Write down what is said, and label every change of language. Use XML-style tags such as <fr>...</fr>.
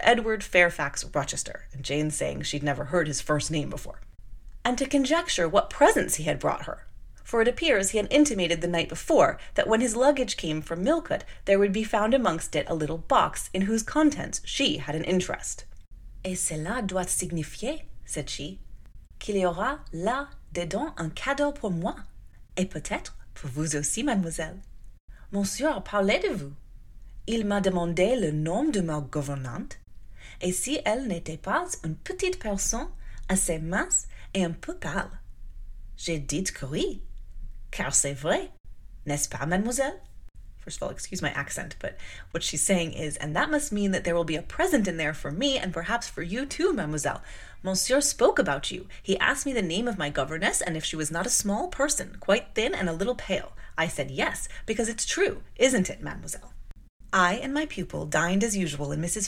<en>Edward Fairfax Rochester, and Jane saying she'd never heard his first name before. And to conjecture what presents he had brought her. For it appears he had intimated the night before that when his luggage came from Millcote, there would be found amongst it a little box in whose contents she had an interest.</en> <fr>Et cela doit signifier,</fr> <en>said she,</en> <fr>qu'il y aura là dedans un cadeau pour moi, et peut-être pour vous aussi, mademoiselle. Monsieur parlait de vous. Il m'a demandé le nom de ma gouvernante, et si elle n'était pas une petite personne assez mince et un peu pâle. J'ai dit que oui, car c'est vrai, n'est-ce pas, mademoiselle?</fr> <en>First of all, excuse my accent, but what she's saying is, and that must mean that there will be a present in there for me and perhaps for you too, mademoiselle. Monsieur spoke about you. He asked me the name of my governess and if she was not a small person, quite thin and a little pale. I said yes, because it's true, isn't it, mademoiselle? I and my pupil dined as usual in Mrs.</en>